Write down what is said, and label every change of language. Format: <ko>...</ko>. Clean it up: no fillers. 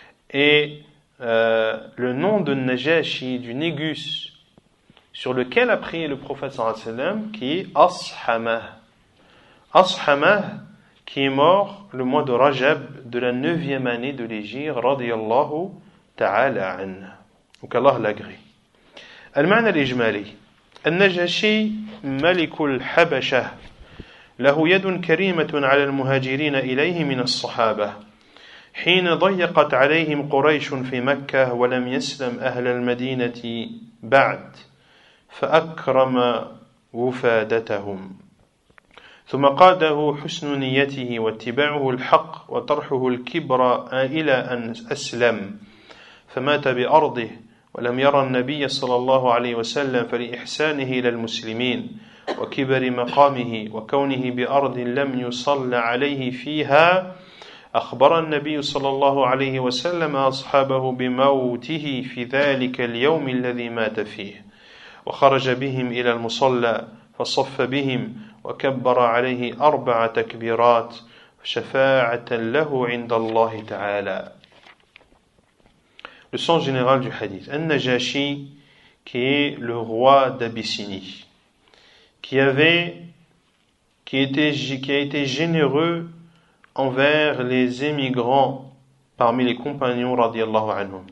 <fr>Et le nom de Najashi, du négus, sur lequel a prié le prophète sallallahu alayhi wa sallam, qui est As-Hamah. As-Hamah, qui est mort le mois de Rajab de la 9e année de l'Hégire, radiyallahu ta'ala anha. Donc Allah l'agrée. Al-Ma'na al-Ijmali.</fr> <ar>النجاشي ملك الحبشة له يد كريمة على المهاجرين إليه من الصحابة حين ضيقت عليهم قريش في مكة ولم يسلم أهل المدينة بعد فأكرم وفادتهم ثم قاده حسن نيته واتباعه الحق وطرحه الكبرى إلى أن أسلم فمات بأرضه ولم يرى النبي صلى الله عليه وسلم فلإحسانه إلى المسلمين وكبر مقامه وكونه بأرض لم يصلى عليه فيها أخبر النبي صلى الله عليه وسلم أصحابه بموته في ذلك اليوم الذي مات فيه وخرج بهم إلى المصلى فصف بهم وكبر عليه 4 تكبيرات شفاعة له عند الله تعالى.</ar> <fr>Le sens général du hadith. An-Najashi, qui est le roi d'Abyssinie, qui a été généreux envers les émigrants parmi les compagnons, radiyallahu anhum.</fr>